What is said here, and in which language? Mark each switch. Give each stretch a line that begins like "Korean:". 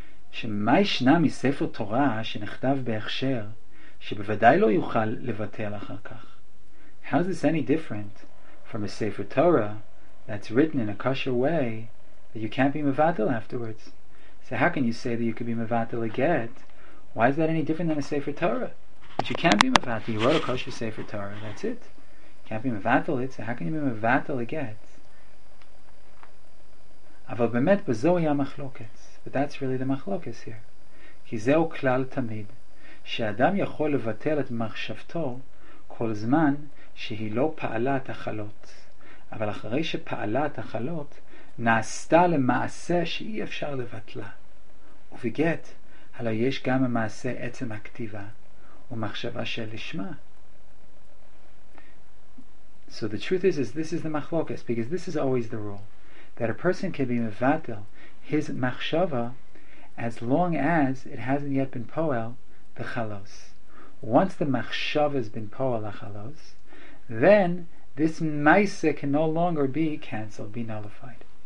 Hebrew: שמה ישנה מספר תורה שנכתב בהכשר, שבוודאי לא יוכל לבטל אחר כך?
English: How is this any different from a Sefer Torah that's written in a kosher way that you can't be mevatel afterwards? So how can you say that you could be mevatel again? Why is that any different than a Sefer Torah? But you can't be mevatel. You wrote a kosher Sefer Torah. That's it. You can't be mevatel it. So how can you be mevatel again?
Hebrew: אבל באמת בזו היה מחלוקת.
English: But that's really the מחלוקת here.
Hebrew: כי זהו כלל תמיד, שאדם יכול לבטל את מחשבתו כל זמן שהיא לא פעלה את החלות. אבל אחרי שפעלה את החלות, נעשתה למעשה שאי אפשר לבטלה. ובגט, הלא יש גם המעשה עצם הכתיבה, ומחשבה של לשמה.
English: So the truth is this is the מחלוקת, because this is always the rule. That a person can be mevatel his machshava as long as it hasn't yet been poel the chalos. Once the machshava has been poel the chalos, then this maise can no longer be cancelled, be nullified.